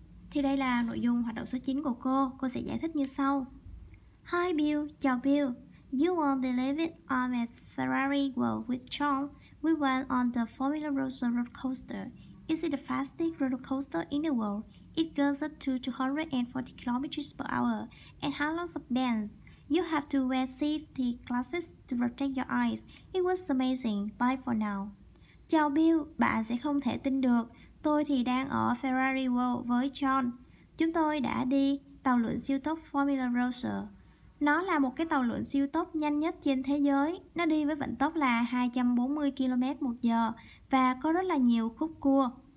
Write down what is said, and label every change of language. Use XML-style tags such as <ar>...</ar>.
<vi>Thì đây là nội dung hoạt động số 9 của cô. Cô sẽ giải thích như sau.</vi> <en>Hi Bill,</en> <vi>chào Bill.</vi> <en>You won't believe it, I'm at Ferrari World with John. We went on the Formula Rosa roller coaster. Is it the fastest roller coaster in the world? It goes up to 240 kilometers per hour and has lots of bends. You have to wear safety glasses to protect your eyes. It was amazing. Bye for now.</en> <vi>Chào Bill, bạn sẽ không thể tin được. Tôi thì đang ở Ferrari World với John. Chúng tôi đã đi tàu lượn siêu tốc Formula Rosa. Nó là một cái tàu lượn siêu tốc nhanh nhất trên thế giới. Nó đi với vận tốc là 240 km một giờ và có rất là nhiều khúc cua.</vi>